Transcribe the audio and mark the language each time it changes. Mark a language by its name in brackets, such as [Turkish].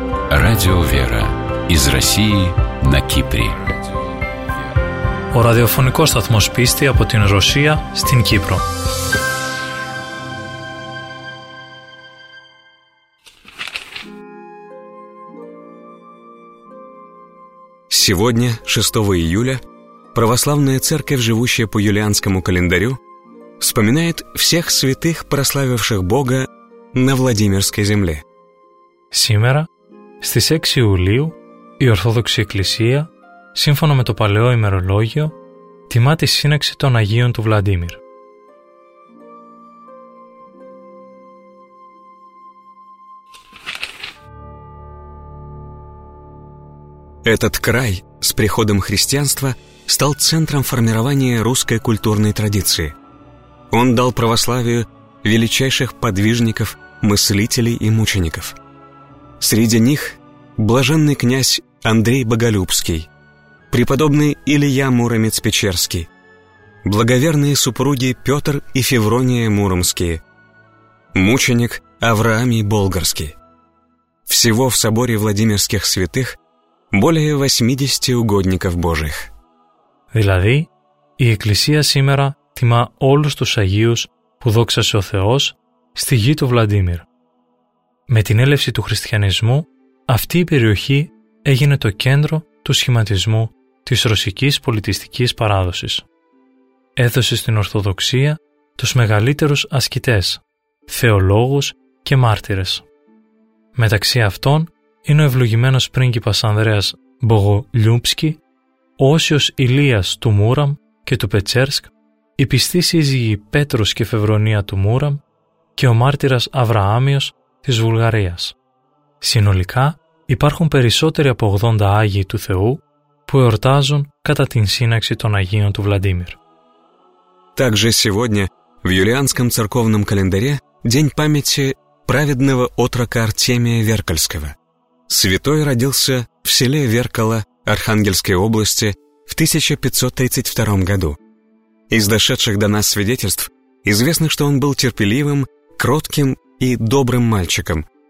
[Russian] Радио «Вера» из России на Кипре. [Greek] Ο ραδιοφωνικός σταθμός πίστη από την Ρωσία στην Κύπρο. [Russian] Сегодня, 6 июля, православная церковь, живущая по юлианскому календарю, вспоминает всех святых, прославивших Бога на Владимирской земле. Сегодня, [Greek] στις 6 Ιουλίου, η Ορθόδοξη Εκκλησία, σύμφωνα με το παλαιό ημερολόγιο, τιμά τη σύναξη των Αγίων του Βλαντίμιρ. [Russian] Этот край с приходом христианства стал центром формирования русской культурной традиции. Он дал православию величайших подвижников, мыслителей и мучеников. Среди них блаженный князь Андрей Боголюбский, преподобный Илья Муромец-Печерский, благоверные супруги Петр и Феврония Муромские, мученик Авраамий Болгарский. Всего в соборе Владимирских святых более 80 угодников Божьих. [Greek] Δηλαδή, η Εκκλησία σήμερα τιμά όλους τους Αγίους που δόξασε ο Θεός στη γη του Βλαντίμιρ. Με την έλευση του χριστιανισμού, αυτή η περιοχή έγινε το κέντρο του σχηματισμού της ρωσικής πολιτιστικής παράδοσης. Έδωσε στην Ορθοδοξία τους μεγαλύτερους ασκητές, θεολόγους και μάρτυρες. Μεταξύ αυτών είναι ο ευλογημένος πρίγκιπας Ανδρέας Μπογολιούμπσκι, ο Όσιος Ηλίας του Μούραμ και του Πετσέρσκ, οι πιστοί σύζυγοι Πέτρος και Φευρονία του Μούραμ και ο μάρτυρας Αβραάμιος της Βουλγαρίας. Συνολικά υπάρχουν περισσότεροι από 80 Άγιοι του Θεού που εορτάζουν κατά την σύναξη των Αγίων του Βλαντίμιρ. [Russian] Также сегодня в юлианском церковном календаре день памяти праведного отрока Артемия Веркальского. Святой родился в селе Веркало Архангельской области в 1532 году. Из дошедших до нас свидетельств известно, что он был терпеливым, кротким и добрым мальчиком.